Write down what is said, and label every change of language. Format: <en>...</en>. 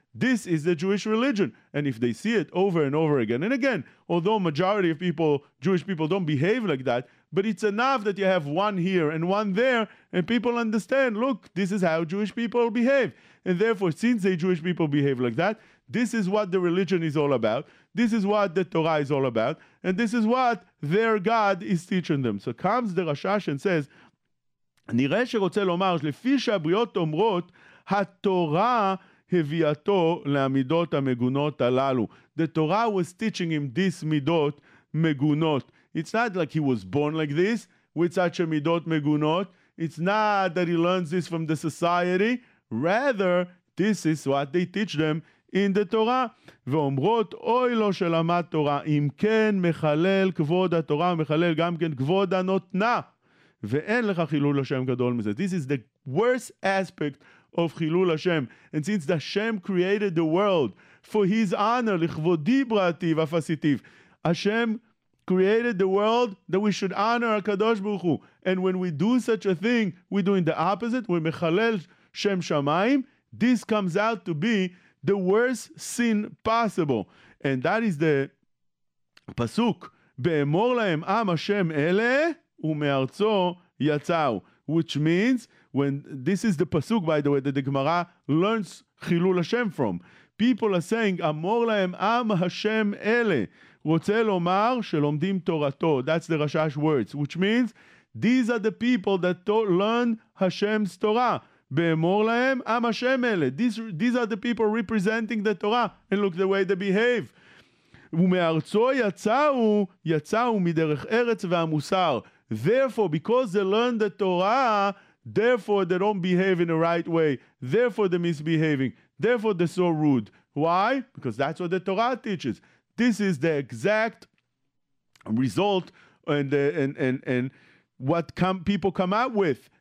<en>This is the Jewish religion. And if they see it over and over again, and again, although majority of people, Jewish people, don't behave like that, but it's enough that you have one here and one there, and people understand, look, this is how Jewish people behave. And therefore, since the Jewish people behave like that, this is what the religion is all about. This is what the Torah is all about. And this is what their God is teaching them. So comes the Rashash and says,</en> <he>נראה שרוצה לומר, לפי שהבריאות אומרות, התורה הביאתו למידות המגונות הללו.</he> <en>The Torah was teaching him this midot מגונות. It's not like he was born like this, with such a midot megunot. It's not that he learns this from the society. Rather, this is what they teach them in the Torah,</en> <he>ואומרות, אוי לו שלמד תורה, אם כן מחלל כבוד התורה, מחלל גם כן כבוד הנותנה, ואין לך חילול השם גדול מזה.</he> <en>This is the worst aspect of חילול השם. And since the Hashem created the world for his honor,</en> <he>לכבודי בראתיו אף עשיתיו,</he> <en>Hashem created the world that we should honor הקדוש ברוך הוא. And when we do such a thing, we're doing the opposite, we</en> <he>מחלל שם שמיים,</he> <en>this comes out to be the worst sin possible. And that is the pasuk,</en> <he>באמור להם עם השם אלה, ומארצו יצאו.</he> <en>Which means, when this is the pasuk, by the way, that the Gemara learns חילול השם from. People are saying,</en> <he>אמור להם עם השם אלה, רוצה לומר שלומדים תורתו.</he> <en>That's the רשש words, which means, these are the people that learn השם's Torah.</en> <he>באמור להם, עם השם אלה.</he> <en>These are the people representing the Torah. And look the way they behave.</en> <he>ומארצו יצאו, יצאו מדרך ארץ והמוסר.</he> <en>Therefore, because they learn the Torah, therefore they don't behave in the right way. Therefore they're misbehaving. Therefore they're so rude. Why? Because that's what the Torah teaches. This is the exact result and what people come out with.</en>